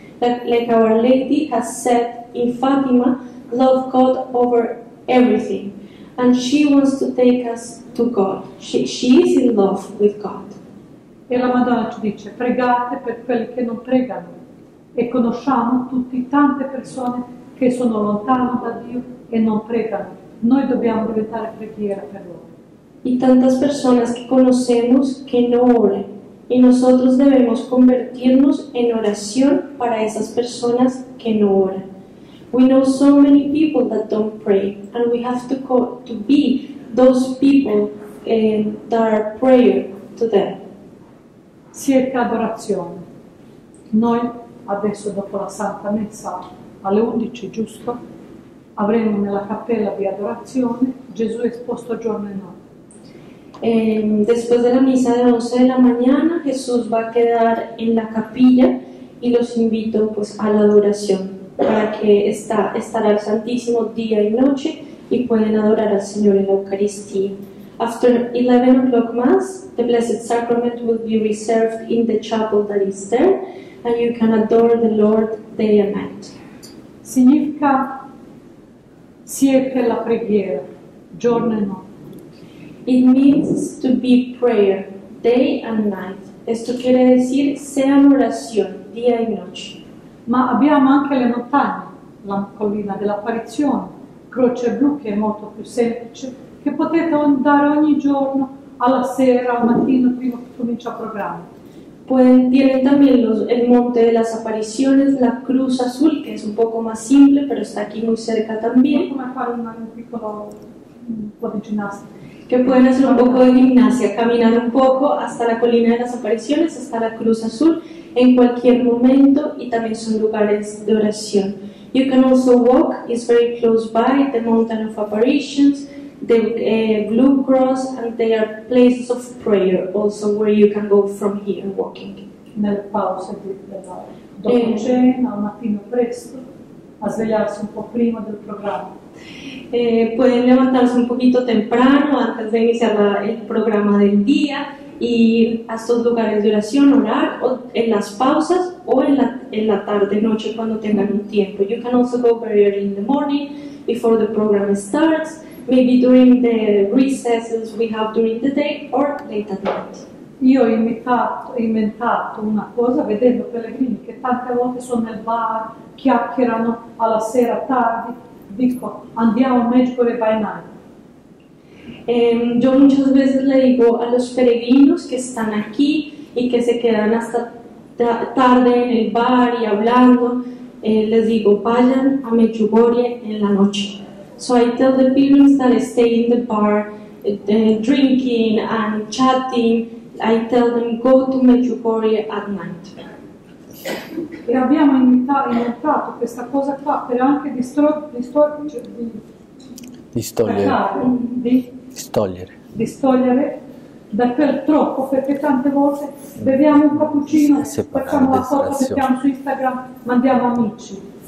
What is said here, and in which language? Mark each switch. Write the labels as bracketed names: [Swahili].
[English] Like Our Lady has said in Fatima, love God over everything and she wants to take us to God. She is in love with God. [Italian] E la Madonna ci dice, pregate per quelli che non pregano. E conosciamo tutti tante persone che sono lontano da Dio e non pregano. Noi dobbiamo diventare preghiera per loro. Y tantas personas que conocemos que no oran, y nosotros debemos convertirnos en oración para esas personas que no oran. We know so many people that don't pray, and we have to be those people that are prayer to them. Circa adorazione. Noi adesso dopo la Santa Messa alle 11, giusto? Avremo nella cappella di adorazione Gesù esposto giorno e notte. [Spanish] Después de la misa de 11 de la mañana, Jesús va a quedar en la capilla y los invito pues a la adoración para que estará el Santísimo día y noche y pueden adorar al Señor en la Eucaristía. [English] After 11 o'clock Mass, the Blessed Sacrament will be reserved in the chapel that is there and you can adore the Lord day and night. [Italian] Significa siete la preghiera, giorno e notte. [English] It means to be prayer, day and night. [Spanish] Esto quiere decir, sea oración, día y noche. [Italian] Ma abbiamo anche le montagne, la collina dell'apparizione, croce blu che è molto più semplice, che potete andare ogni giorno, alla sera, al mattino, prima che comincia il programma. [Spanish] Tienen también el monte de las apariciones, la cruz azul, que es un poco más simple, pero está aquí muy cerca también. Como hacer un poco de gimnasia. Que pueden hacer un poco de gimnasia, caminar un poco hasta la colina de las apariciones, hasta la cruz azul, en cualquier momento, y también son lugares de oración. [English] You can also walk, it's very close by, the mountain of apparitions, the Blue Cross, and they are places of prayer also where you can go from here walking. [Italian] Nelle pause dopo cena, al mattino presto, a svegliarsi un po' prima del programma. [Spanish] Pueden levantarse un poquito temprano antes de iniciar el programa del día y ir a estos lugares de oración, orar o en las pausas o en la tarde, noche, cuando tengan un tiempo. [English] You can also go very early in the morning before the program starts. Maybe during the recesses we have during the day or late at night. [Italian] Io ho inventato una cosa vedendo pellegrini che tante volte sono nel bar, chiacchierano alla sera tardi. Dico, andiamo a Medjugorje [English] by night. [Spanish] Yo muchas veces le digo a los peregrinos que están aquí y que se quedan hasta tarde en el bar y hablando, les digo, vayan a Medjugorje en la noche. [English] So I tell the pilgrims that stay in the bar, drinking and chatting, I tell them go to Medjugorje at night. [Italian] E abbiamo inventato questa cosa qua per anche distogliere da quel troppo, perché tante volte beviamo un cappuccino, facciamo la foto, mettiamo su Instagram, mandiamo amici.